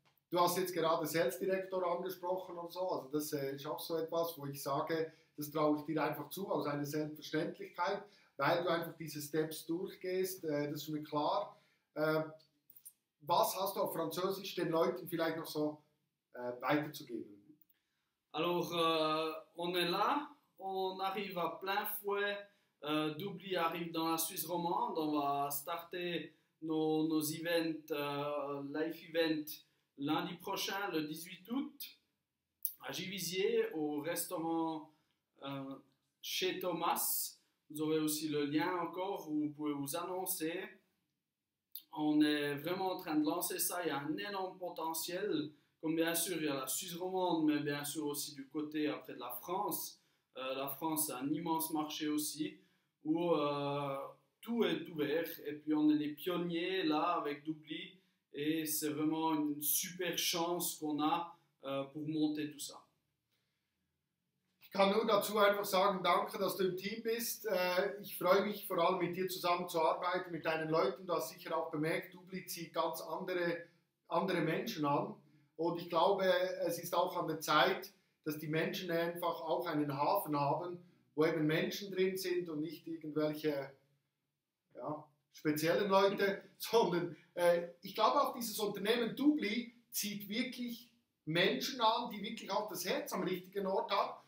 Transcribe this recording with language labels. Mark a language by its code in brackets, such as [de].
[de] Du hast jetzt gerade Sales Director angesprochen und so. Also das ist auch so etwas, wo ich sage, das traue ich dir einfach zu, aus einer Selbstverständlichkeit, weil du einfach diese Steps durchgehst. Das ist mir klar. Was hast du auf Französisch den Leuten vielleicht noch so weiterzugeben? [fr] Alors, on est là, on arrive à plein fouet. Dubli arrive dans la Suisse romande. On va starter nos events, live events, lundi prochain, le 18 août, à Givisier, au restaurant chez Thomas. Vous aurez aussi le lien encore où vous pouvez vous annoncer. On est vraiment en train de lancer ça. Il y a un énorme potentiel. Comme bien sûr, il y a la Suisse romande, mais bien sûr aussi du côté après de la France. La France a un immense marché aussi, où tout est ouvert. Et puis, on est les pionniers là avec Dubli. Et c'est vraiment une super chance qu'on a pour monter tout ça. [de] Ich kann nur dazu einfach sagen, danke, dass du im Team bist. Ich freue mich vor allem mit dir zusammen zu arbeiten, mit deinen Leuten. Du hast sicher auch bemerkt, Dubli zieht ganz andere Menschen an. Und ich glaube, es ist auch an der Zeit, dass die Menschen einfach auch einen Hafen haben, wo eben Menschen drin sind und nicht irgendwelche speziellen Leute, sondern ich glaube auch, dieses Unternehmen Dubli zieht wirklich Menschen an, die wirklich auch das Herz am richtigen Ort haben.